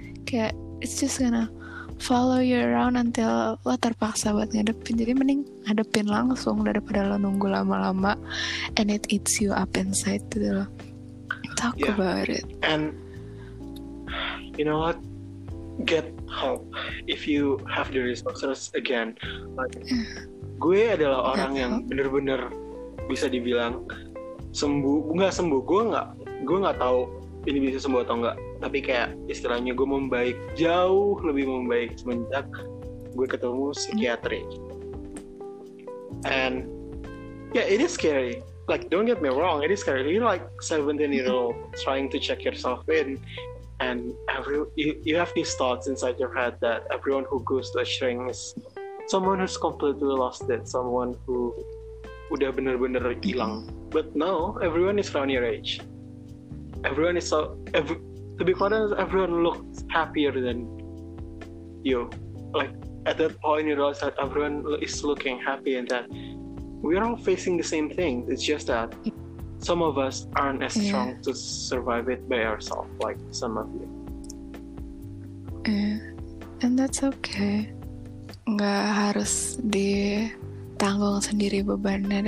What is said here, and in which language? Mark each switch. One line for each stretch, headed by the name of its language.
English: Kayak, it's just gonna follow you around until
Indonesian: lo terpaksa buat ngadepin. Jadi mending ngadepin langsung daripada lo nunggu lama-lama
English: and it eats you up inside
Indonesian: gitu loh.
English: Talk yeah. about it. And you know what? Get help if you have the resources again.
Indonesian: Like, gue adalah orang yeah. yang benar-benar bisa dibilang sembuh. Enggak sembuh. Gue enggak tahu ini bisa sembuh atau enggak. Tapi kayak istilahnya gue membaik, jauh lebih membaik semenjak gue ketemu psikiatri.
English: And yeah, it is scary. Like, don't get me wrong, it is scary. You're like 17-year-old trying to check yourself in, and you have these thoughts inside your head that everyone who goes to a shrink is someone who's completely lost it, someone who
Indonesian: udah bener-bener hilang.
English: But no, everyone is around your age. Everyone is so... to be honest, everyone looks happier than you. Like, at that point, you realize that everyone is looking happy and that we're all facing the same thing. It's just that some of us aren't as strong to survive it by ourselves, like some of you. Yeah. And that's okay.
Indonesian: Nggak harus ditanggung sendiri bebannya.